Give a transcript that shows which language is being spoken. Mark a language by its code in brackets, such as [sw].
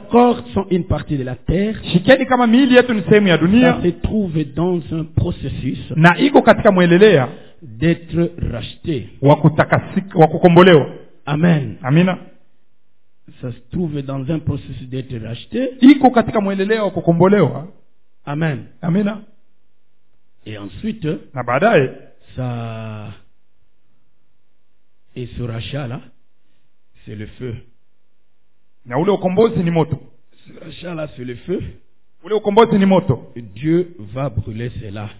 [fr] corps sont une partie de la terre. Ça se trouve dans un processus d'être racheté. Amen. [sw] Amina. [fr] Ça se trouve dans un processus d'être racheté. [sw] Iko katika mwelelea wa kukombolewa. Amen. Amina. [fr] Et ensuite, [sw] na baadaye, [fr] ça et ce rachat là, c'est le feu. [sw] Na ule ukombozi ni moto. [fr] Ce rachat là, c'est le feu. [sw] Ule ukombozi ni moto. [fr] Et Dieu va brûler cela.